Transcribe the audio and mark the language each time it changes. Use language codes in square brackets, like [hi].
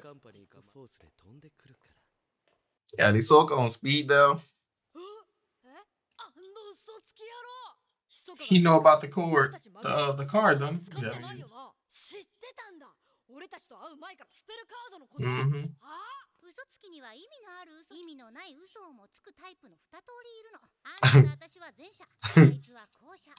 [ja] カンパニーかフォースで飛んでくるから。やりそうかもスピードよ。え？あの嘘つき野郎。 [en] He know about the cord, the card, don't you? Yeah. [ja] 知ってたんだ。俺たちと会う前からスペルカードのこと。嘘つきには意味のある嘘、意味のない嘘をもつくタイプの二通りいるの。あんたと私は前者、あいつは後者。